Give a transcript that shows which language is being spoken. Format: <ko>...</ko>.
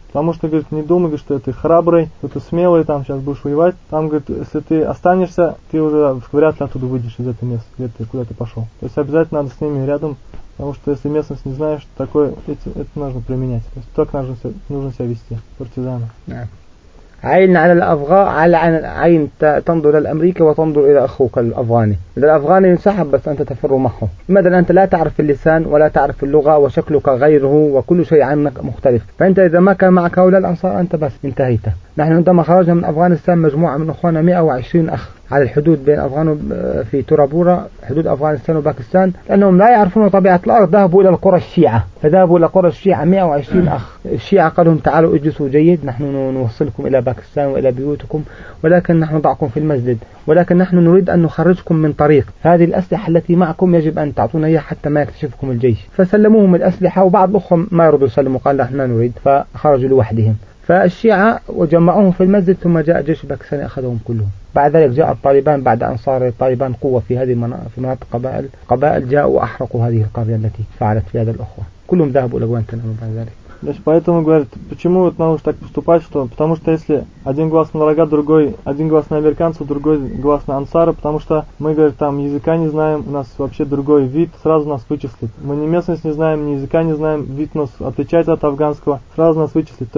<ru>Потому что, говорит, не думай, что ты храбрый, что ты смелый, там сейчас будешь воевать. Там, говорит, если ты останешься, ты уже вряд ли оттуда выйдешь из этого места, где ты, куда ты пошел. То есть обязательно надо с ними рядом. Потому что если местность не знаешь, такое это нужно применять. То есть так нужно себя вести, партизаны.</ru> <ar>عين على الأفغان على عين تنظر للأمريكي وتنظر إلى أخوك الأفغاني. إذا الأفغاني ينسحب بس أنت تفر معه. لماذا؟ أنت لا تعرف اللسان ولا تعرف اللغة وشكلك غيره وكل شيء عنك مختلف. فأنت إذا ما كان معك هؤلاء الأنصار أنت بس انتهيت. نحن عندما خرجنا من أفغانستان مجموعة من أخوانا 120 أخ على الحدود بين أفغان في ترابورا حدود أفغانستان وباكستان، لأنهم لا يعرفون طبيعة الأرض، ذهبوا إلى القرى الشيعة، فذهبوا إلى قرى الشيعة 120 أخ الشيعة، قال لهم تعالوا اجلسوا جيد، نحن نوصلكم إلى باكستان وإلى بيوتكم، ولكن نحن نضعكم في المسجد، ولكن نحن نريد أن نخرجكم من طريق، هذه الأسلحة التي معكم يجب أن تعطونا إياها حتى ما يكتشفكم الجيش. فسلموهم الأسلحة، وبعض أخهم ما يرضوا يسلموا، قال نحن نريد، فخرجوا لوحدهم. فالشيعة وجمعوهم في المسجد، ثم جاء جيش باكستاني أخذهم كلهم. بعد ذلك جاء الطالبان، بعد أن صار الطالبان قوة في هذه مناطق قبائل جاءوا وأحرقوا هذه القرية التي فعلت في هذا الأخوة، كلهم ذهبوا إلى غوانتنامو بعد ذلك.</ar> <ru>Значит, поэтому говорит, почему вот надо уж так поступать, что потому что если один глаз на врага, другой, один глаз на американца, другой глаз на ансара, потому что мы, говорит, там языка не знаем, у нас вообще другой вид, сразу нас вычислит. Мы ни местность не знаем, ни языка не знаем, вид нас отличается от афганского, сразу нас вычислит.</ru>